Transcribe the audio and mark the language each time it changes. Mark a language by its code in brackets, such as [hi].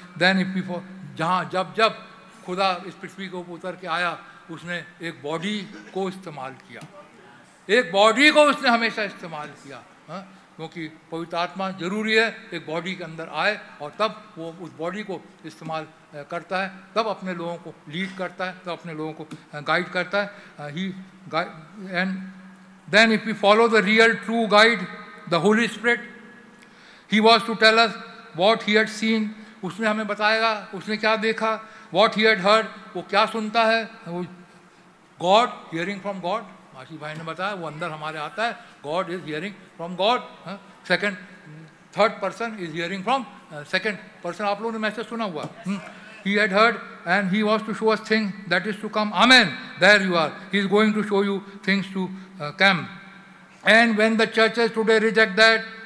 [en] then if before, [hi] जहाँ जब जब खुदा इस पृथ्वी को उतर के आया उसने एक बॉडी को इस्तेमाल किया, एक बॉडी को उसने हमेशा इस्तेमाल किया, क्योंकि पवित्र आत्मा जरूरी है एक बॉडी के अंदर आए और तब वो उस बॉडी को इस्तेमाल करता है, तब अपने लोगों को लीड करता है, तब अपने लोगों को गाइड करता है। ही and [en] Then if we follow the real true guide, the Holy Spirit, He was to tell us what He had seen. [hi] उसने हमें बताएगा उसने क्या देखा [en] what he had heard [hi] वो क्या सुनता है वो [en] God hearing from God [hi] माशी भाई ने बताया वो अंदर हमारे आता है [en] God is hearing from God second third person is hearing from second person [hi] आप लोगों ने मैसेज सुना हुआ [en] he had heard and he was to show us thing that is to come amen there you are he is going to show you things to come and when the churches today reject that